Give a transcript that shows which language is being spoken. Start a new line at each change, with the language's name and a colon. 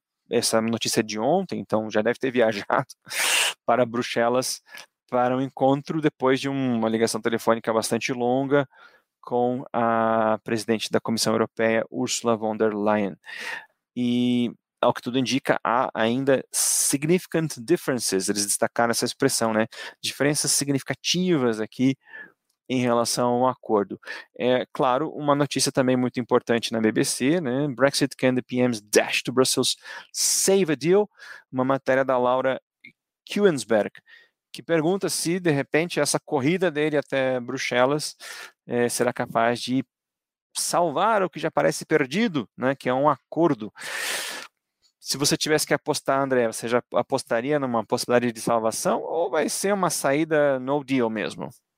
Portuguese: Essa notícia é de ontem, então já deve ter viajado para Bruxelas para um encontro depois de uma ligação telefônica bastante longa com a presidente da Comissão Europeia, Ursula von der Leyen. E, ao que tudo indica, há ainda
English: significant differences,
Portuguese: eles destacaram essa expressão, né? Diferenças significativas aqui em relação ao acordo. É claro, uma notícia também muito importante na BBC, né?
English: Brexit can the PM's dash to Brussels save a deal?
Portuguese: Uma matéria da Laura Kuensberg, que pergunta se, de repente, essa corrida dele até Bruxelas será capaz de salvar o que já parece perdido, né, que é um acordo. Se você tivesse que apostar, André, você já apostaria numa possibilidade de salvação ou vai ser uma saída no deal mesmo?